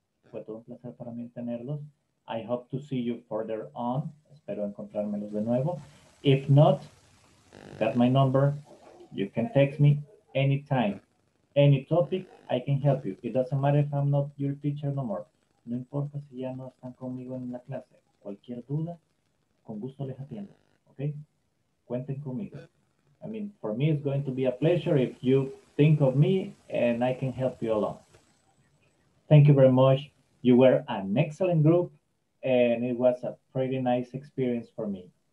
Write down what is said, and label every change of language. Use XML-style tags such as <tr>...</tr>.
<es>Fue todo un placer para mí tenerlos.</es> <en>I hope to see you further on.</en> <es>Espero encontrármelos de nuevo.</es> <en>If not, got my number. You can text me anytime. Any topic, I can help you. It doesn't matter if I'm not your teacher no more.</en> <es>No importa si ya no están conmigo en la clase. Cualquier duda, con gusto les atiendo. Okay? Cuenten conmigo.</es> <en>I mean, for me, it's going to be a pleasure if you think of me and I can help you along. Thank you very much. You were an excellent group and it was a pretty nice experience for me.</en>